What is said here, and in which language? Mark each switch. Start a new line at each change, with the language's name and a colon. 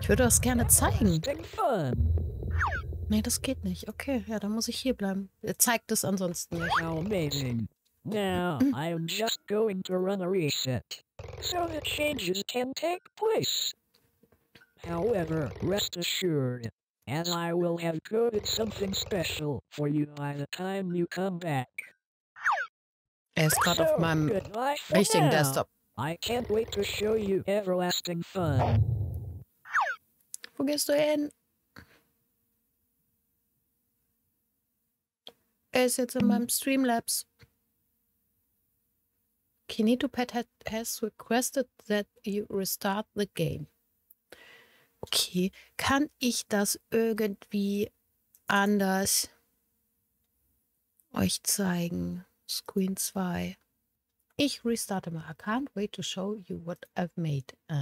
German: Ich würde das gerne zeigen.
English: Fun.
German: Nee, das geht nicht. Okay, ja, dann muss ich hier bleiben. Er zeigt es ansonsten nicht.
English: How amazing. Now, I'm just going to run a reset. So the changes can take place. However, rest assured, as I will have coded something special for you by the time you come back.
German: Er ist gerade so, auf meinem richtigen Desktop.
English: I can't wait to show you everlasting fun.
German: Wo gehst du hin? Er ist jetzt in meinem Streamlabs.
English: KinetoPad has requested that you restart the game.
German: Okay, kann ich das irgendwie anders euch zeigen? Screen 2. Ich restarte mal.
English: I can't wait to show you what I've made.